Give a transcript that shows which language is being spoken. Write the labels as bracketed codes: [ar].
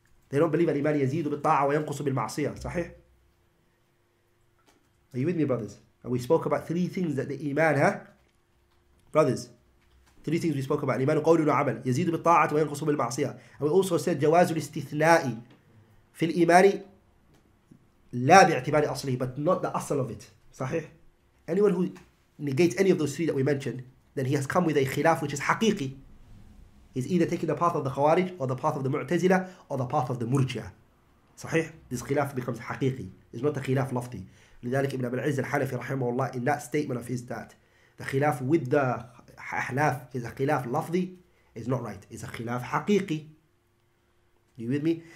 [en] They don't believe [ar] الإيمان يزيدوا بالطاعة وينقصوا بالمعصية. [en] صحيح؟ Are you with me, brothers? And we spoke about three things that the إيمان, huh? Brothers, three things we spoke about. [ar] الإيمان قول وعمل يزيد بالطاعة وينقص بالمعصية. [en] And we also said [ar] جواز الاستثناء في الإيمان لا باعتبار أصله, [en] but not the [ar] أصل of it. [en] صحيح؟ Anyone who negates any of those three that we mentioned, then he has come with a خلاف which is حقيقي. He's either taking the path of the خوارج or the path of the معتزلة or the path of the مرجع. صحيح؟ This خلاف becomes حقيقي. It's not a خلاف لفظي. [ar] لذلك ابن أبي العز الحنفي رحمه الله, [en] in that statement of his, that the خلاف with the أحلاف is a [ar] خلاف لفظي, [en] is not right. It's a [ar] خلاف حقيقي. [en] You with me?